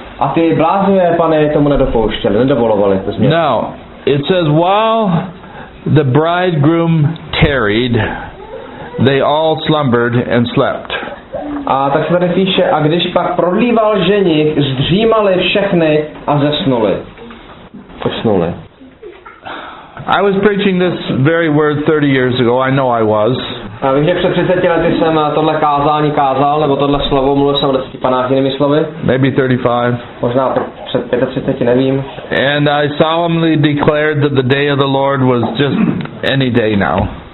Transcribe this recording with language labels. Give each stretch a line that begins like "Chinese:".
Czech: A ty bláznivé pany tomu nedopouštěli, nedovolovali to změnit.
English: No, it says, while the bridegroom tarried, they all slumbered and slept.
Czech: A tak se tady píše, a když pak prodlíval ženich, zdřímali všechny a zesnuli. Zesnuli.
English: I was preaching this very word 30 years ago, I know I was.
Czech: A vím, že před 30 lety jsem tohle kázání kázal, nebo tohle slovo, mluvil jsem o deseti panách jinými slovy.
English: Maybe 35.
Czech: Možná před 35, nevím.
English: And I solemnly declared that the day of the Lord was just any day now.